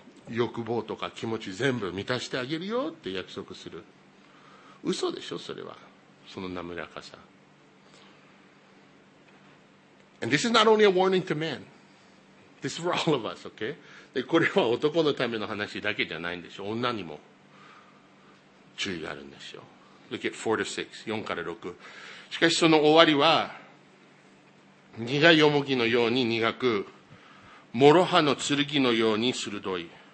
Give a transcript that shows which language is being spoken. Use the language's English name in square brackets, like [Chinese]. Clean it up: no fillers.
[Japanese] 欲望とか気持ち全部満たしてあげるよって約束する。嘘でしょ、それは。その滑らかさ。 [English] And this is not only a warning to men. This is for all of us, okay? [Japanese] で、これは男のための話だけじゃないんでしょ。女にも注意があるんですよ。 [English] Look at 4 to 6. [Japanese] 4から6. しかしその終わりは苦いよもぎのように苦く、諸刃の剣のように鋭い。